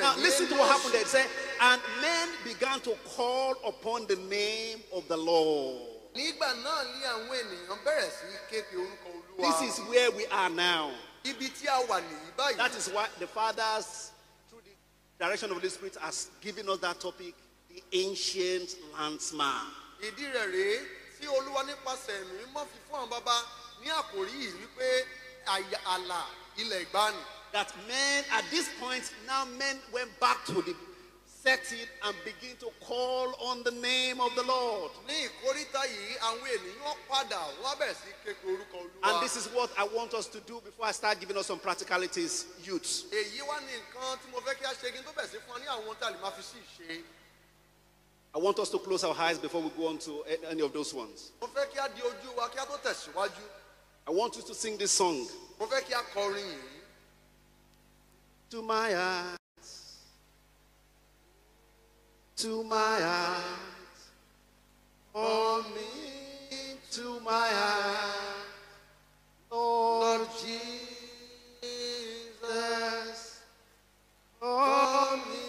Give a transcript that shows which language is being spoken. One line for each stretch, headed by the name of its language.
English: ní Enos. Now listen to what happened there. It said, and men began to call upon the name of the Lord.
Yoruba: Nígbà náà ni àwọn ènìyàn bẹ̀rẹ̀ sí kéde orúkọ Olúwa.
English: This is where we are now.
Yoruba: Ibi tí a wà nìyí báyìí.
English: That is why the fathers, through the direction of the Holy Spirit, has given us that topic, the ancient landsman.
Yoruba: Ìdí rẹ̀ rèé tí Olúwa nípasẹ̀ ẹ̀mí mọ́ fi fún àwọn bàbá ní àkòrí yìí wípé àlà ilẹ̀ ìgbàanì.
English: That men at this point now men went back to the setting and begin to call on the name of the Lord.
Yoruba: Ní ìkórìtà yìí àwọn ènìyàn padà wá bẹ̀rẹ̀ sí kéko orúkọ Olúwa.
English: And this is what I want us to do before I start giving us some practicalities, youth.
Yoruba: Èyí wá ní nǹkan tí mo fẹ́ kí a ṣe kí n tó bẹ̀rẹ̀ sí fún ọ ní àwọn tá a lè máa fi sí ìṣe.
English: I want us to close our eyes before we go on to any of those ones.
Yoruba: Mo fẹ́ kí a di ojú wa kí a tó tẹ̀síwájú.
English: I want you to sing this song.
Yoruba: Mo fẹ́ kí a kọrin yìí.
English: To my heart, call me to my heart, Lord Jesus, call me.